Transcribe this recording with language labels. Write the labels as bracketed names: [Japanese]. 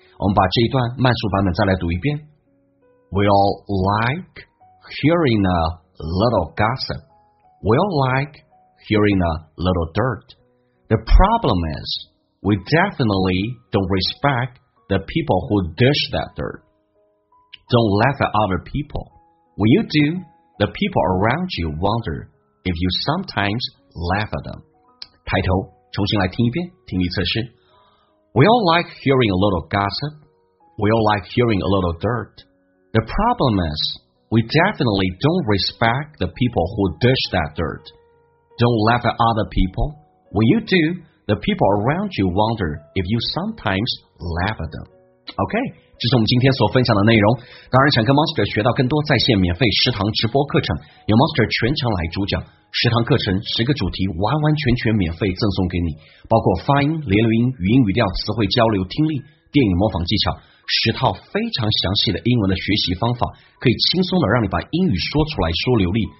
[Chinese] 我们把这一段慢速版本再来读一遍。 [English] We all like hearing a little gossip. We all like hearing a little dirt. The problem is, we definitely don't respect the people who dish that dirt. Don't laugh at other people. When you do, the people around you wonder if you sometimes laugh at them. [Chinese] 抬头重新来听一遍听力测试。 [English] We all like hearing a little gossip. we all like hearing a little dirt. The problem is, we definitely don't respect the people who dish that dirt. Don't laugh at other people. When you do, the people around you wonder if you sometimes laugh at them. [Chinese] Okay, 这是我们今天所分享的内容。当然想跟 Monster 学到更多在线免费食堂直播课程，由 Monster 全程来主讲。食堂课程十个主题完完全全免费赠送给你，包括发音、连读音、语音语调、词汇交流、听力、电影模仿技巧，十套非常详细的英文的学习方法，可以轻松的让你把英语说出来说流利。